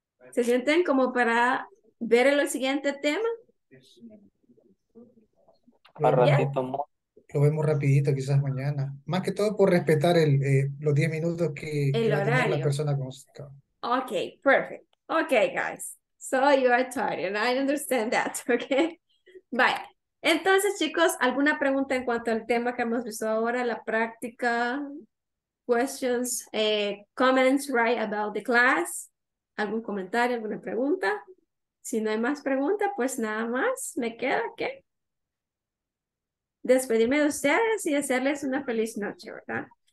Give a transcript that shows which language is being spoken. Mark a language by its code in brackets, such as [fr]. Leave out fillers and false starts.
[es] ¿Se sienten como para ver el siguiente tema? Más ratito, amor. Lo vemos rapidito, quizás mañana. Más que todo por respetar el, los 10 minutos que el va a tener horario. La persona con música. [en] Ok, perfect. Ok, guys. So you are tired and I understand that, ok? Bye. [es] Entonces, chicos, ¿alguna pregunta en cuanto al tema que hemos visto ahora? La práctica, [en] questions, comments, right, about the class. [es] ¿Algún comentario, alguna pregunta? Si no hay más preguntas, pues nada más me queda que despedirme de ustedes y hacerles una feliz noche, ¿verdad?